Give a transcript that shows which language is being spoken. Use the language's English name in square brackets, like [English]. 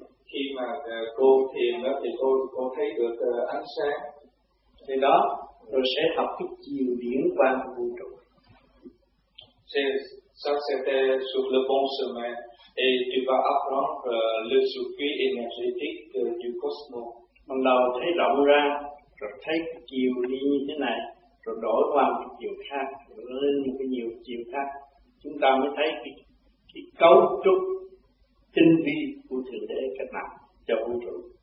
[Vietnamese] Khi mà cô thiền đó thì cô thấy được ánh sáng. Thì đó rồi sẽ học cái chiều điển quan của vũ trụ. [French] Ça c'était sur le bon chemin et tu vas apprendre le circuit énergétique du cosmos. [Vietnamese] Ban đầu thấy rộng ra, rồi thấy chiều đi như thế này, rồi đổi qua một chiều khác, lên một cái nhiều chiều khác, chúng ta mới thấy cái cấu trúc tinh vi của thượng đế cách mạng cho vũ trụ.